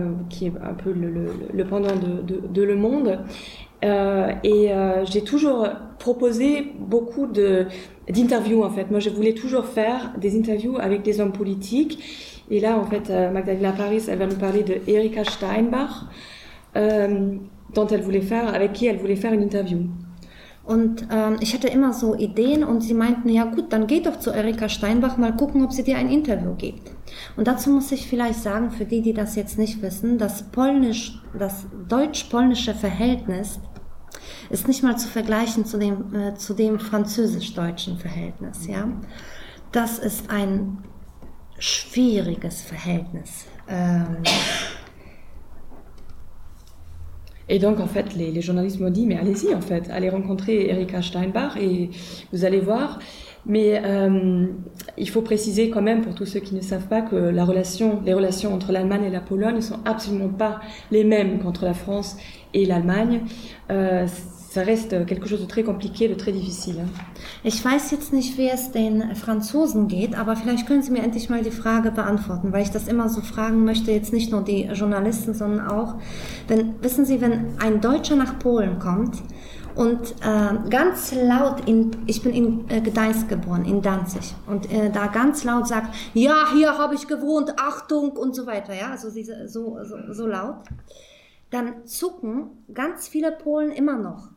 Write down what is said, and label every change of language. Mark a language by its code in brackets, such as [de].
[fr] qui est un peu le pendant de Le Monde. J'ai toujours proposé beaucoup d'interviews, en fait. Moi, je voulais toujours faire des interviews avec des hommes politiques. Et là, en fait, Magdalena Paris, elle va nous parler de Erika Steinbach, dont elle voulait faire, avec qui elle voulait faire une interview. [de] Und ich hatte immer so Ideen und sie meinten, ja gut, dann geh doch zu Erika Steinbach, mal gucken, ob sie dir ein Interview gibt. Und dazu muss ich vielleicht sagen, für die, die das jetzt nicht wissen, das deutsch-polnische Verhältnis ist nicht mal zu vergleichen zu dem französisch-deutschen Verhältnis. Ja? Das ist ein schwieriges Verhältnis. [fr] Et donc, en fait, les journalistes m'ont dit, mais allez-y, en fait, allez rencontrer Erika Steinbach et vous allez voir. Mais il faut préciser quand même, pour tous ceux qui ne savent pas, que les relations entre l'Allemagne et la Pologne ne sont absolument pas les mêmes qu'entre la France et l'Allemagne. Ça reste quelque chose de très compliqué, de très difficile. [de] Ich weiß jetzt nicht, wie es den Franzosen geht, aber vielleicht können Sie mir endlich mal die Frage beantworten, weil ich das immer so fragen möchte, jetzt nicht nur die Journalisten, sondern auch, wenn ein Deutscher nach Polen kommt und ganz laut, ich bin in Gdańsk geboren, in Danzig, und da ganz laut sagt, ja, hier habe ich gewohnt, Achtung und so weiter, ja, also so laut, dann zucken ganz viele Polen immer noch.